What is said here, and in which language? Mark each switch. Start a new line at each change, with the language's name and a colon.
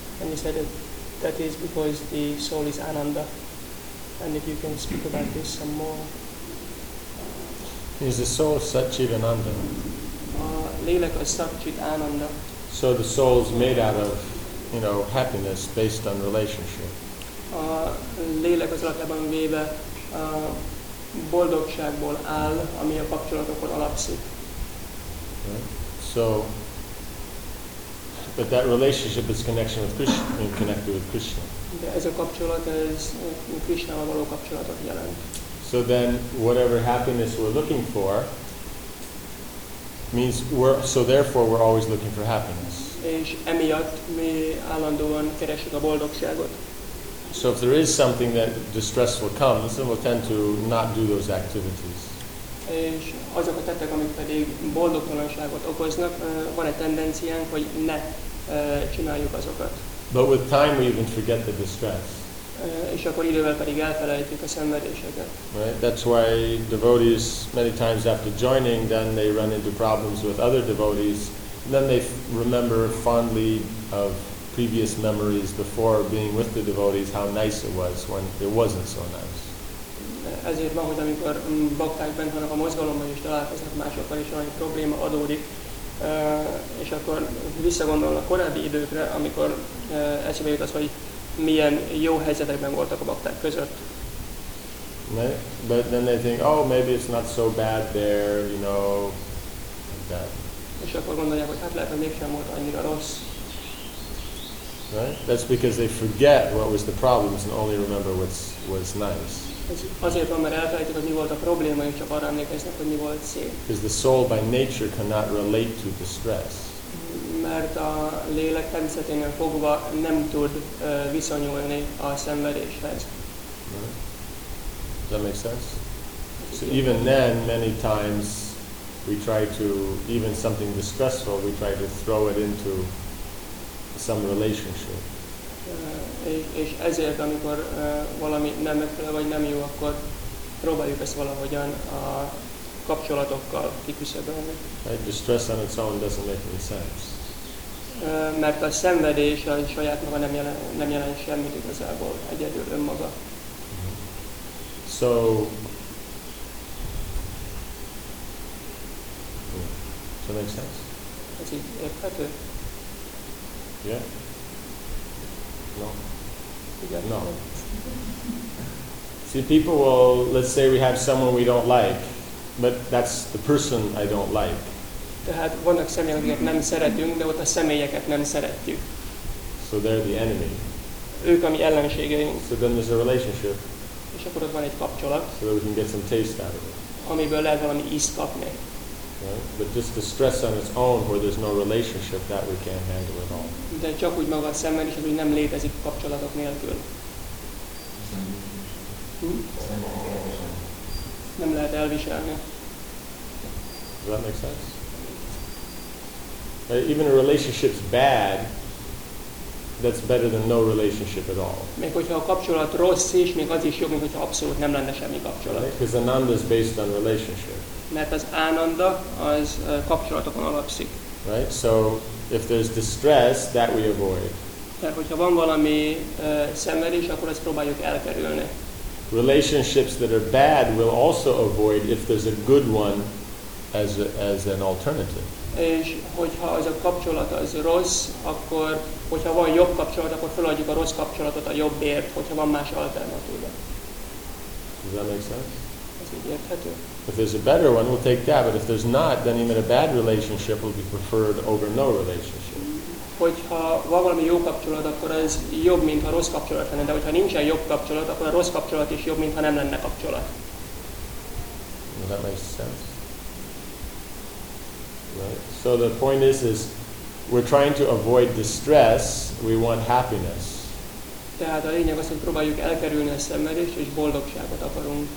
English: And you said that is because the soul is ananda. And if you can speak about this some more. Is the soul Satchitananda?
Hungarian: Lelaka Satchitananda.
English: So the soul is made out of, you know, happiness based on relationship.
Hungarian: Lelaka alapjában véve boldogságból áll, ami a kapcsolatokon alapszik.
English: So, but that relationship is connection with Krishna, connected with Krishna.
Hungarian: De ez a kapcsolat, ez Krishnával való kapcsolatot jelent.
English: So then, whatever happiness we're looking for means we're. So therefore, we're always looking for happiness.
Hungarian: És emiatt mi állandóan keresünk a boldogságot.
English: So if there is something that distressful comes, then we'll tend to not do those activities.
Hungarian: És azok a tettek, amik pedig boldogtalanságot okoznak, van egy tendenciánk, hogy ne csináljuk azokat.
English: But with time, we even forget the distress.
Hungarian: És akkor idővel pedig elfelejtjük a szenvedéseket.
English: Right, that's why devotees many times after joining, then they run into problems with other devotees, and then they remember fondly of previous memories before being with the devotees, how nice it was when it wasn't so nice.
Hungarian: Ezért van, hogy amikor bakták bent vannak a mozgalomban és találkoznak másokkal, és valami probléma adódik, és akkor visszagondolnak korábbi időkre, amikor eszébe jut az, hogy milyen jó helyzetekben voltak a bakták között.
English: But then they think, oh, maybe it's not so bad there, you know, that.
Hungarian: És akkor gondolják, hogy hát lehet, hogy mégsem volt annyira rossz.
English: Right? That's because they forget what was the problem and only remember what's nice.
Hungarian: Azért van, mert elfelejtik, hogy mi volt a probléma, és csak arra emlékeznek, hogy mi volt szép.
English: Because the soul by nature cannot relate to distress.
Hungarian: Mert a lélek természeténél fogva nem tud viszonyulni a szenvedéshez.
English: Does that make sense? So even then, many times, we try to, even something distressful, we try to throw it into some relationship.
Hungarian: És ezért, amikor valami nem megfelel, vagy nem jó, akkor próbáljuk ezt valahogyan a kapcsolatokkal kiküszöbölni.
English: Right, distress on its own doesn't make any sense.
Hungarian: Mert a szenvedés a saját maga nem jelent semmit igazából, egyedül önmaga.
English: So, does that make sense?
Hungarian: Ez így érthető?
English: Yeah? No?
Hungarian: Igen.
English: No. See, people will, let's say we have someone we don't like, but that's the person I don't like.
Hungarian: Tehát vannak személyek, akiket nem szeretünk, de ott a személyeket nem szeretjük.
English: So they're the enemy.
Hungarian: Ők a mi ellenségeink.
English: So then there's a relationship.
Hungarian: És akkor ott van egy kapcsolat.
English: So that we can get some taste out of it.
Hungarian: Amiből lehet valami ízt kapni.
English: Right? But just the stress on its own, where there's no relationship, that we can't handle at all.
Hungarian: De csak úgy maga a szenvedés, hogy nem létezik kapcsolatok nélkül. Nem lehet elviselni.
English: Does that make sense? Even a relationship's bad, that's better than no relationship at all.
Hungarian: Még hogyha a kapcsolat rossz is, még az is jobb, mint hogyha abszolút nem lenne semmi kapcsolat.
English: Because ananda is based on relationship.
Hungarian: Mert az ananda az kapcsolatokon alapszik.
English: Right. So if there's distress, that we avoid.
Hungarian: Tehát hogyha van valami szenvedés, akkor ezt próbáljuk elkerülni.
English: Relationships that are bad we'll also avoid if there's a good one as an alternative.
Hungarian: És hogyha az a kapcsolat az rossz, akkor hogyha van jobb kapcsolat, akkor feladjuk a rossz kapcsolatot a jobbért, hogyha van más alternatíva.
English: Does that make sense?
Hungarian: Ez így érthető.
English: If there's a better one, we'll take that, but if there's not, then even a bad relationship will be preferred over no relationship.
Hungarian: Hogyha van valami jó kapcsolat, akkor ez jobb, mint ha rossz kapcsolat lenne, de hogyha nincsen jobb kapcsolat, akkor a rossz kapcsolat is jobb, mint ha nem lenne kapcsolat.
English: Does that make sense? Right. So the point is we're trying to avoid distress, we want happiness.
Hungarian: Tehát a lényeg az, hogy próbáljuk elkerülni a szenvedést és boldogságot akarunk.